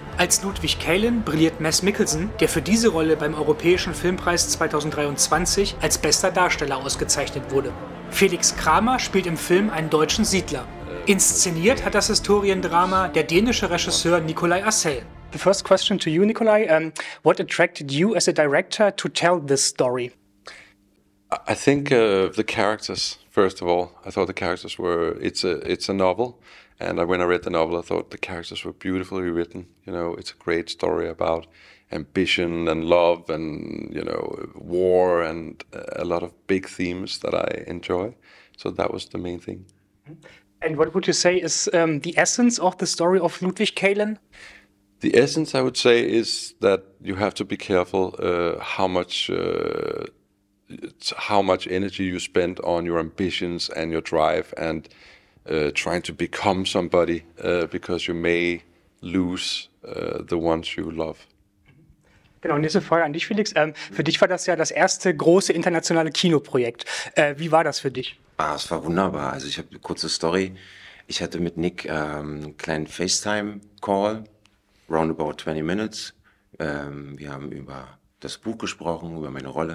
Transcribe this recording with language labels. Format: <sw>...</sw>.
<de>Als Ludwig Kaelen brilliert Mads Mikkelsen, der für diese Rolle beim Europäischen Filmpreis 2023 als bester Darsteller ausgezeichnet wurde. Felix Kramer spielt im Film einen deutschen Siedler. Inszeniert hat das Historiendrama der dänische Regisseur Nikolaj Arcel.</de> <en>The first question to you, Nikolaj, what attracted you as a director to tell this story? I think the characters, first of all. I thought the characters were, it's a novel. And when I read the novel, I thought the characters were beautifully written. You know, it's a great story about ambition and love and, you know, war and a lot of big themes that I enjoy. So that was the main thing. And what would you say is the essence of the story of Ludwig Kaelen? The essence, I would say, is that you have to be careful how much energy you spend on your ambitions and your drive and trying to become somebody, because you may lose the ones you love.</en> <de>Genau, nächste Frage an dich, Felix. Für dich war das ja das erste große internationale Kinoprojekt. Wie war das für dich? Ah, es war wunderbar. Also ich habe eine kurze Story. Ich hatte mit Nick einen kleinen FaceTime-Call,</de> <en>round about 20 minutes.</en> <de>Wir haben über das Buch gesprochen, über meine Rolle.</de>